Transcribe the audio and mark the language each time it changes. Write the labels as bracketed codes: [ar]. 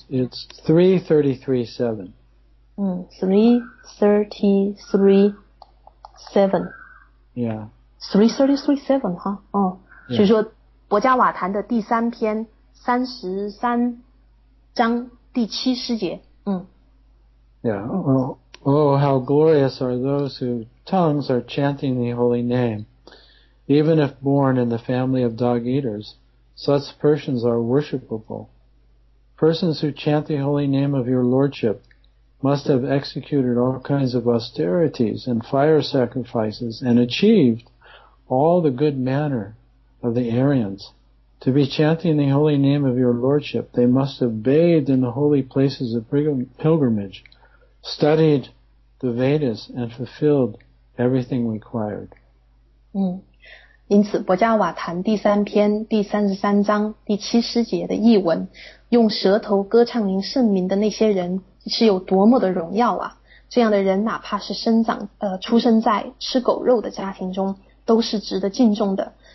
[en] It's 333.7. 333.7. [zh] 3337, 哈，哦，所以说博伽瓦坛的第三篇33章第七诗节，嗯。 [en] Yeah. Oh, how glorious are those whose tongues are chanting the holy name, even if born in the family of dog eaters. Such persons are worshipable. Persons who chant the holy name of your lordship must have executed all kinds of austerities and fire sacrifices and achieved all the good manner of the Aryans. To be chanting the holy name of your lordship, they must have bathed in the holy places of pilgrimage, studied the Vedas, and fulfilled everything required. [zh] 嗯，因此《博伽瓦坛》第三篇第33章第七诗节的译文，用舌头歌唱您圣名的那些人是有多么的荣耀啊！这样的人哪怕是生长出生在吃狗肉的家庭中，都是值得敬重的。